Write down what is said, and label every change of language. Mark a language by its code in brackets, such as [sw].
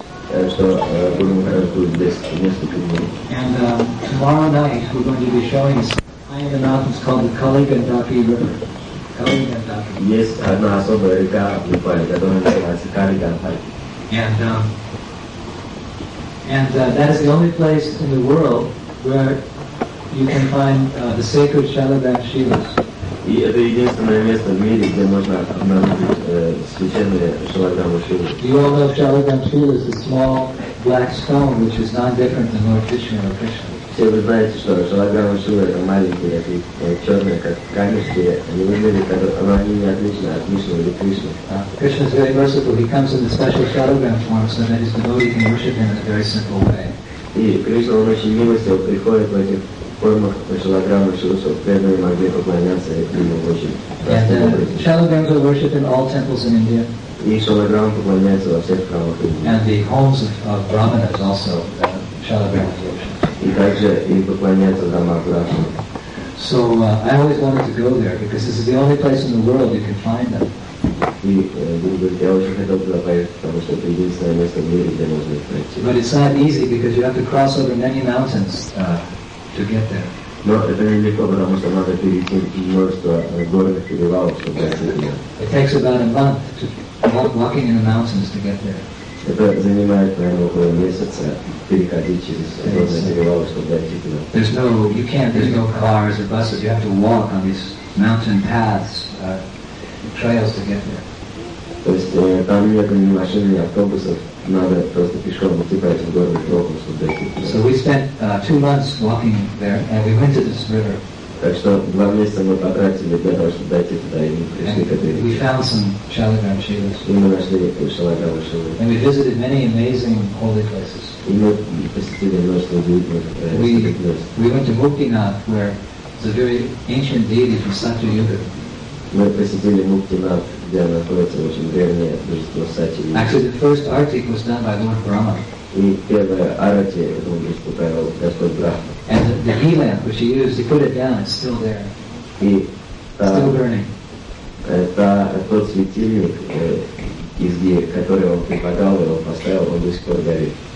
[ru] Так что будем хранить здесь несколько дней. [en] And tomorrow night we're going to be showing high in the mountains called the Kaligandaki River. Kaligandaki. [ru] Есть одна особая река в Непале, которая называется Kaligandaki. [en] And that is the only place in the world where you can find the sacred Shalabhan Shilas. [ru] И это единственное место в мире, где можно обнаружить священные Shalabhan Shilas. [en] You all know Shalabhan Shilas, a small black stone which is not different than Lord Krishna or Krishna. [ru] Все вы знаете, что Shalabhan Shilas это маленькие, черные, как камешки, они выглядят, но они не отличны от Вишну или Кришны. [en] Krishna is very merciful. He comes in the special Shalabhan form so that his devotee can worship him in a very simple way. [ru] И Кришна, он очень милостив, приходит в этих формах Shalabhan Shilas, чтобы преданные могли поклоняться к нему очень простым [en] Shalabhans are worshipped in all temples in India. [ru] И Shalabhan поклоняется во всех храмах Индии. [en] And the homes of Brahmanas also Shalabhan worship. [ru] И также и поклоняться дома Брахмана. [en] So I always wanted to go there because this is the only place in the world you can find them. [ru] И я очень хотел туда поехать, потому что это единственное место в мире, где можно их найти. [en] But it's not easy because you have to cross over many mountains to get there. [ru] Но это не легко, потому что надо перейти множество горных перевалов, чтобы дойти туда. [en] It takes about a month to walking in the mountains to get there. [ru] Это занимает, наверное, около месяца переходить через горные перевалы, чтобы дойти туда. [en] There's no, you can't, there's no cars or buses. You have to walk on these mountain paths, trails to get there. [ru] То есть там нет ни машин, ни автобусов. Надо просто пешком идти по этим горным тропам, чтобы дойти туда. [en] So we spent 2 months walking there, and we went to this river. [ru] Так что 2 месяца мы потратили для того, чтобы дойти туда, и мы пришли к этой [en] We found some Shalabhan Shilas. [ru] И мы нашли Shalabhan Shilas. [en] And we visited many amazing holy places. [ru] И мы посетили множество удивительных святых мест. [en] We went to Muktinath, where there's a very ancient deity from Satyayuga. [ru] Мы посетили Muktinath, где находится очень древнее божество Сати. [en] Actually, the first artic was done by Lord Brahma. [ru] И первое арати он испытывал Господь Брахма. [en] And the ghee lamp which he used, he put it down, it's still there. [ru] И [en] still burning. [ru] Это тот светильник из ги, который он преподал, его поставил, он до сих пор горит.